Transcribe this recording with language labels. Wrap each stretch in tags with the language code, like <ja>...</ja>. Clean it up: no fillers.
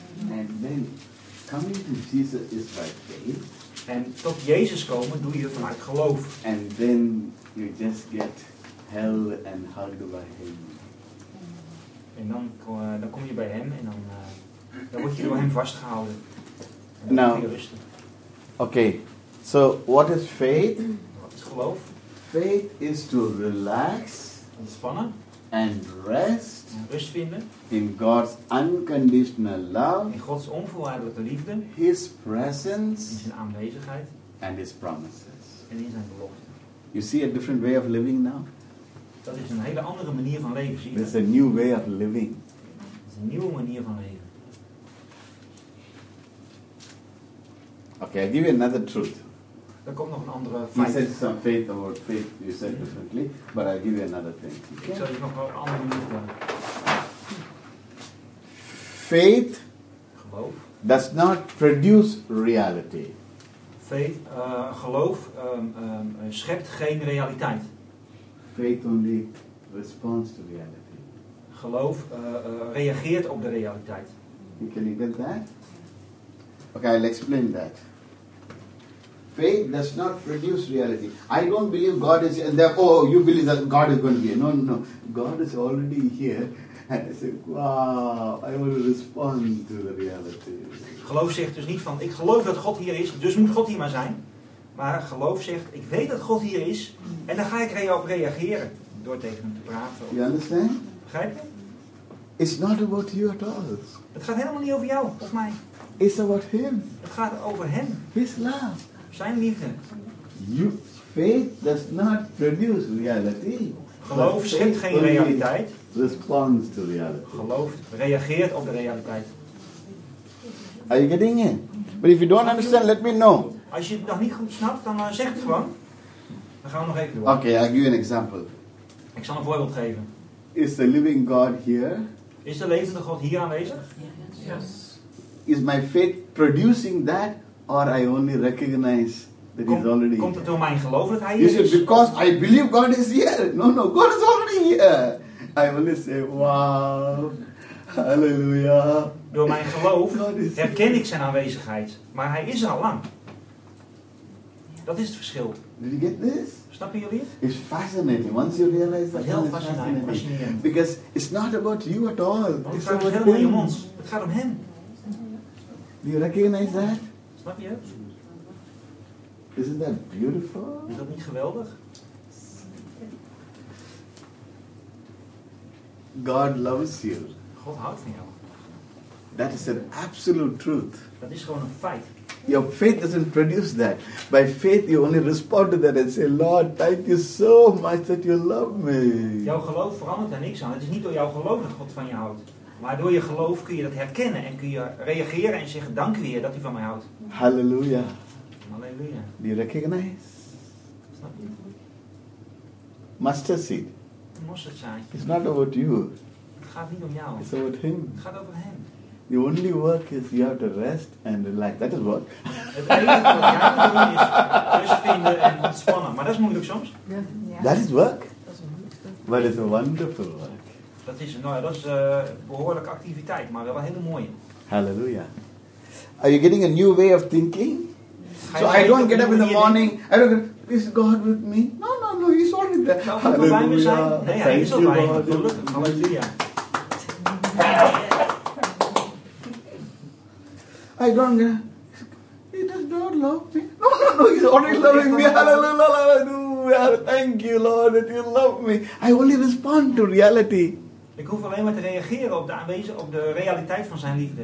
<en>And then coming to Jesus is by faith.</en> <nl>En tot Jezus komen doe je vanuit geloof.</nl> <en>And then you just get held and hugged by him.</en> <nl>En dan kom je bij hem en dan word je door hem vastgehouden.</nl> <en>Nou, okay. So, what is faith?</en> <nl>Wat is geloof?</nl> <en>Faith is to relax.</en> <nl>Ontspannen.</nl> <en>And rest.</en> <nl>En rust vinden.</nl> <en>In God's unconditional love.</en> <nl>In Gods onvoorwaardelijke liefde.</nl> <en>His presence.</en> <nl>In zijn aanwezigheid.</nl> <en>And his promises.</en> <nl>En in zijn beloften.</nl> <en>You see a different way of living now?</en> <nl>Dat is een hele andere manier van leven, zie je?</nl> <en>It's a new way of living.</en> <nl>Het is een nieuwe manier van leven.</nl> <en>Okay, I'll give you another truth.</en> <nl>Er komt nog een andere feit.</nl> <en>You said some faith about faith, you said differently, but I'll give you another thing. Okay?</en> <nl>Ik zal je nog wel een andere manier van.</nl> <en>Faith.</en> <nl>Geloof.</nl> <en>Does not produce reality.</en> <nl>Faith, geloof schept geen realiteit.</nl> <en>Faith only responds to reality.</en> <nl>Geloof reageert op de realiteit.</nl> <en>You can get that? Okay, I'll explain that. Faith does not produce reality. I don't believe God is there. Oh, you believe that God is going to be here. No. God is already here. And I say, wow, I will respond to the reality.</en> <nl>Geloof zegt dus niet van, ik geloof dat God hier is, dus moet God hier maar zijn. Maar geloof zegt, ik weet dat God hier is, en dan ga ik op reageren door tegen hem te praten.</nl> <en>You understand?</en> <nl>Begrijp je?</nl> <en>It's not about you at all.</en> <nl>Het gaat helemaal niet over jou of mij.</nl> <en>It's about him.</en> <nl>Het gaat over hem.</nl> <en>His love.</en> <nl>Zijn liefde.</nl> <en>Faith does not produce reality.</en> <nl>Geloof schept geen realiteit.</nl> <en>Responds to reality.</en> <nl>Geloof reageert op de realiteit.</nl> <en>Are you getting it? But if you don't understand, let me know.</en> <nl>Als je het nog niet goed snapt, dan zeg het gewoon. Dan gaan we nog even door.</nl> <en>Oké, okay, I'll give you an example.</en> <nl>Ik zal een voorbeeld geven.</nl> <en>Is the living God here?</en> <nl>Is de levende God hier aanwezig?</nl> <en>Yes. Is my faith producing that, or I only recognize that he's already</en> <nl>komt het door mijn geloof dat hij</nl> <en>you</en> <nl>hier is?</nl> <en>Said, because I believe God is here. No, no, God is already here. I only say, wow, hallelujah.</en> <nl>Door mijn geloof herken ik zijn aanwezigheid, maar hij is er al lang. Dat is het verschil.</nl> <en>Did you get this?</en> <nl>Snappen jullie het?</nl> <en>It's fascinating. Once you realize that,</en> <nl>heel fascinerend.</nl> <en>Because it's not about you at all.</en> <nl>Want het gaat helemaal niet om ons. Het gaat om hem.</nl> <en>Do you recognize that?</en> <nl>Snap je</nl> <en>het? Isn't that beautiful?</en> <nl>Is dat niet geweldig?</nl> <en>God loves you.</en> <nl>God houdt van jou.</nl> <en>That is an absolute truth.</en> <nl>Dat is gewoon een feit.</nl> <en>Your faith doesn't produce that. By faith you only respond to that and say, Lord, thank you so much that you love me.</en> <nl>Jouw geloof verandert daar niks aan. Het is niet door jouw geloof dat God van je houdt. Maar door je geloof kun je dat herkennen en kun je reageren en zeggen, dank u Heer dat u van mij houdt. Hallelujah. Hallelujah.</nl> <en>Do you recognize?</en> <nl>Snap je?</nl> <en>Mustard seed. Mustard seed. It's not about you.</en> <nl>Het gaat niet om jou.</nl> <en>It's about him.</en> <nl>Het gaat over hem.</nl> <en>The only work is you have to rest and relax. That is work.</en> <nl>Het enige wat je aan het doen is rust vinden en ontspannen. Maar dat is moeilijk soms. Ja.</nl> <en>That is work.</en> <nl>Dat is een moeilijkste.</nl> <en>But it's a wonderful work.</en> <nl>Dat is, nou ja, dat is behoorlijke activiteit, maar wel hele mooie. Hallelujah.</nl> <en>Are you getting a new way of thinking? So I don't get up in the morning. I don't get, is God with me? No, no, no, he's already there.</en> <nl>Hallelujah. Nee, hij is al bij me. Gelukkig. Hallelujah.</nl> <en>I don't. He does not love me. No, no, no. He's already loving me. Hallelujah. Thank you, Lord, that you love me. I only respond to reality.</en> <nl>Ik hoef alleen maar te reageren op de aanwezigheid, op de realiteit van zijn liefde.</nl>